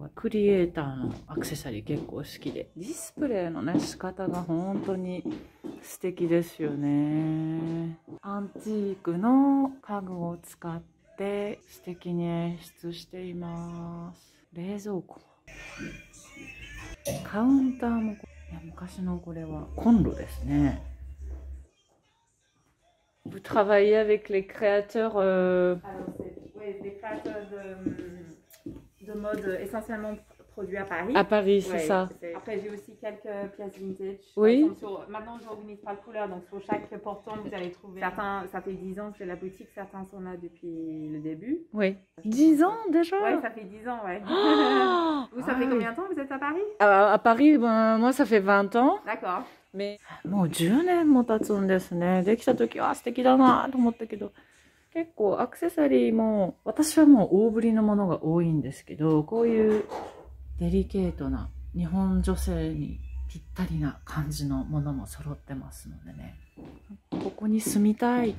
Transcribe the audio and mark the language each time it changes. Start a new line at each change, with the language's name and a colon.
Japanese: クリエイターのアクセサリー結構好きで、ディスプレイのね仕方が本当に素敵ですよね。アンティークの家具を使って素敵に演出しています。冷蔵庫、カウンターも、いや昔のこれはコンロですね。
French: Vous travaillez avec les créateurs? Alors c'est oui, des créateurs de mode essentiellement produits à Paris. À Paris, c'est ça. Après j'ai aussi quelques pièces vintage. Oui. Maintenant je n'organise pas de couleur, donc sur chaque portant vous allez trouver. Certains, ça fait 10 ans que j'ai la boutique, certains sont là depuis le début. Oui. 10 ans déjà? Oui, ça fait 10 ans, ouais. Vous, ça fait combien de temps que vous êtes à Paris? À Paris, ben, moi ça fait 20 ans. D'accord.
Japanese: もう10年も経つんですね。できた時は素敵だなと思ったけど、結構アクセサリーも私はもう大ぶりのものが多いんですけど、こういうデリケートな日本女性にぴったりな感じのものも揃ってますのでね、ここに住みたい。